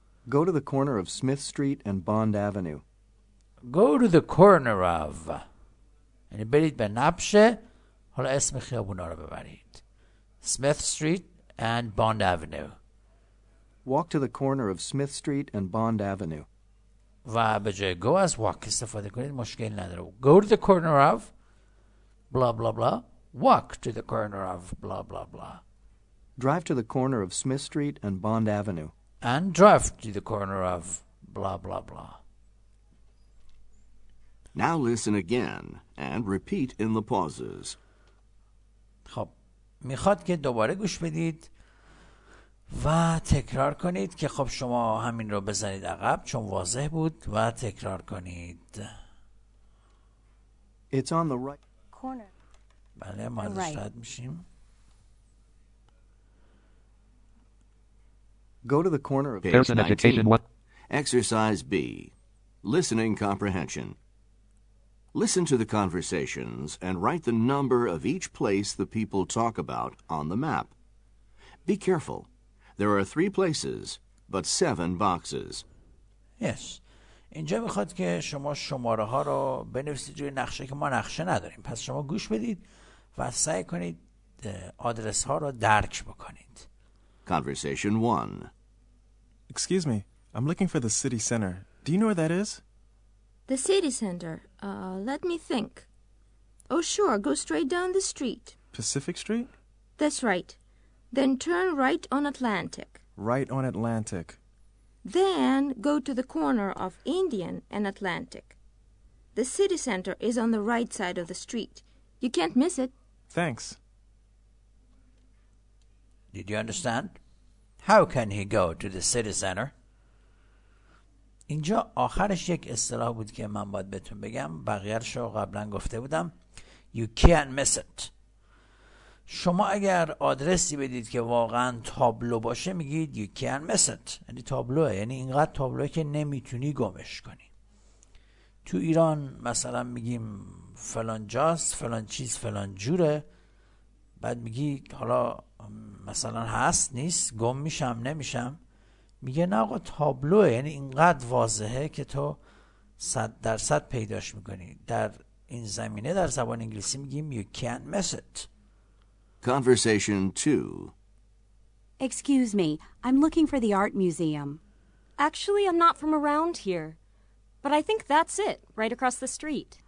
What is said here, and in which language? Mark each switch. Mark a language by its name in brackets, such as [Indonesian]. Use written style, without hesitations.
[English] Go to the corner of Smith Street and Bond Avenue. Go to the corner of. [Persian] یعنی برید به نبشه. حالا اسم خیابونا رو ببرید. [English] Smith Street and Bond Avenue. Walk to the corner of Smith Street and Bond Avenue. [Persian] و به جای [English] go as walk [Persian] استفاده کنید. مشکل نداره. [English] Go to the corner of. Blah, blah, blah. Walk to the corner of. Blah, blah, blah. Drive to the corner of Smith Street and Bond Avenue. And drive to the corner of blah, blah, blah. Now listen again and repeat in the pauses. [Persian] خب، میخواد که دوباره گوش بدید و تکرار کنید که خب شما همین رو بزنید عقب چون واضح بود و تکرار کنید. [English] It's on the right corner. [Persian] بله، ما دوست right. میشیم. [English] Go to the corner of page 19. Exercise B. Listening comprehension. Listen to the conversations and write the number of each place the people talk about on the map. Be careful. There are three places, but seven boxes. Yes. [Persian] اینجا میخواد که شما شماره ها رو بنویسید روی نقشه که ما نقشه نداریم. پس شما گوش بدید و سعی کنید آدرس ها رو درک بکنید. [English] Conversation 1. Excuse me, I'm looking for the city center. Do you know where that is? The city center? Let me think. Oh, sure, go straight down the street. Pacific Street? That's right. Then turn right on Atlantic. Right on Atlantic. Then go to the corner of Indian and Atlantic. The city center is on the right side of the street. You can't miss it. Thanks. Did you understand? How can he go to the city center? [Persian] اینجا آخرش یک اصطلاح بود که من باید بهتون بگم. بقیه‌اش رو قبلا گفته بودم. [English] You can't miss it. [Persian] شما اگر آدرسی بدید که واقعا تابلو باشه میگید You can't miss it. یعنی تابلوه. یعنی اینقدر تابلوه که نمیتونی گمش کنی. تو ایران مثلا میگیم فلان جاست، فلان چیز، فلان جوره. بعد میگی حالا مثلا هست نیست گم میشم نمیشم میگه نه آقا تابلوه یعنی اینقدر واضحه که تو 100% پیداش میکنی در این زمینه در زبان انگلیسی میگیم [English] you can't miss it conversation 2 Excuse me, I'm looking for the art museum. Actually, I'm not from around here. But I think that's it, right across the street.